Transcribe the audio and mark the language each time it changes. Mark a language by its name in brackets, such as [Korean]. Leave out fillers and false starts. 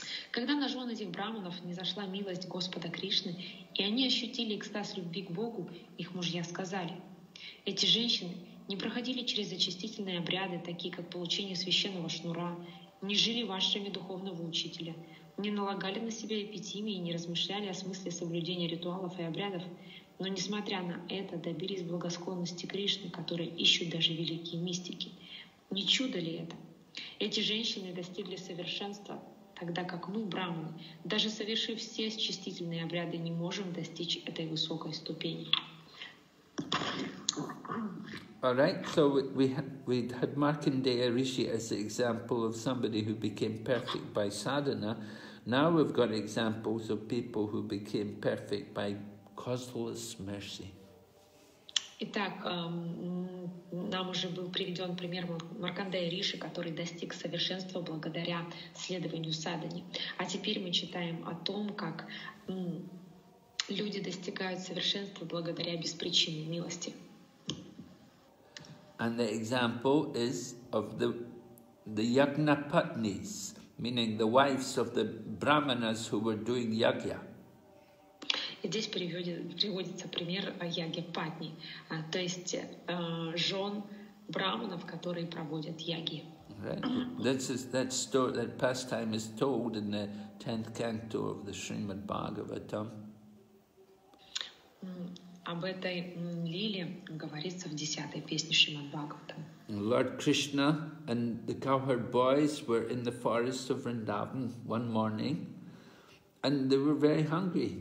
[Russian] Когда на жен этих брахманов низошла милость Господа Кришны, и они ощутили экстаз любви к Богу, их мужья сказали: «Эти женщины не проходили через очистительные обряды, такие как получение священного шнура, не жили вашими духовного учителя, не налагали на себя эпитимии и не размышляли о смысле соблюдения ритуалов и обрядов, но, несмотря на это, добились благосклонности Кришны, которые ищут даже великие мистики. Не чудо ли это? Эти женщины достигли совершенства, тогда как мы, брахманы, даже совершив все очистительные обряды, не можем достичь этой высокой ступени». [English] All right, so we had Markandeya Rishi as the example of somebody who became perfect by sadhana. Now we've got examples of people who became perfect by causeless mercy. [Russian] Итак, нам уже был приведен пример Маркандея Риши, который достиг совершенства благодаря следованию садхане. А теперь мы читаем о том, как люди достигают совершенства благодаря беспричинной милости. [English] And the example is of the yagna patnis, meaning the wives of the brahmanas who were doing yagya. [Russian] Здесь приводится пример яги патни, то есть жен брахманов, которые проводят яги. [English] Right. That story, that pastime is told in the 10th canto of the Srimad Bhagavatam. [Russian] Об этой лиле говорится в 10-й песне Шримад-Бхагаватам. [English] Lord Krishna and the cowherd boys were in the forest of Vrindavan one morning, and they were very hungry.